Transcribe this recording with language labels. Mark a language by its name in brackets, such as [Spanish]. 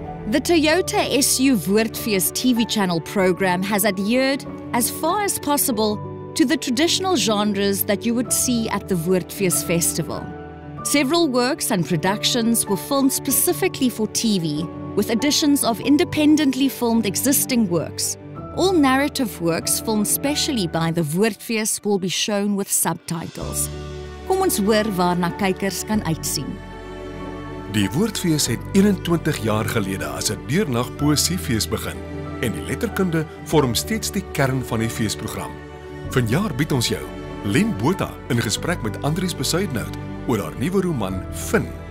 [English] The Toyota SU Woordfees TV channel program has adhered as far as possible to the traditional genres that you would see at the Woordfees festival. Several works and productions were filmed specifically for TV, with additions of independently filmed existing works. All narrative works filmed specially by the Woordfees will be shown with subtitles. [Afrikaans] Kom ons hoor waarna kykers kan uitsien. Die Woordfees het 21 jaar gelede as 'n deurnag poësiefees begin en die letterkunde vorm steeds die kern van die feesprogram. Vanjaar bied ons jou Len Botha in gesprek met Andries Besuidnout oor haar nuwe roman Fin.